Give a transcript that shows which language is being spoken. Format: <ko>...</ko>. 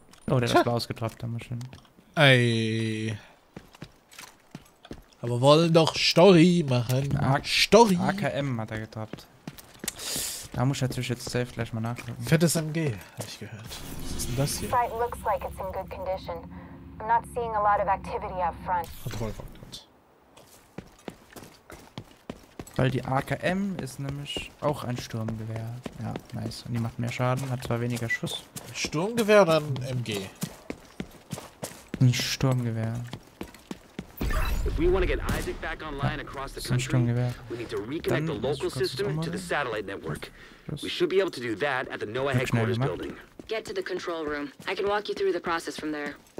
<de>Oh, der ist ausgetroffen, haben wir schön. Ey. Aber wollen doch Story machen. Story. AKM hat er getroppt. Da muss ich natürlich jetzt safe gleich mal nachgucken. Fettes MG, hab ich gehört. Was ist denn das hier?</de> <en>Site looks like it's in good condition. I'm not seeing a lot of activity up front.</en> <de>Weil die AKM ist nämlich auch ein Sturmgewehr. Ja, nice. Und die macht mehr Schaden, hat zwar weniger Schuss. Sturmgewehr oder ein MG? Ein Sturmgewehr.</de> <en>If we want to get Isaac back online across the country, we need to reconnect the local system to the satellite network. We should be able to do that at the NOAA headquarters building. Get to the control room. I can walk you through the process from there.</en>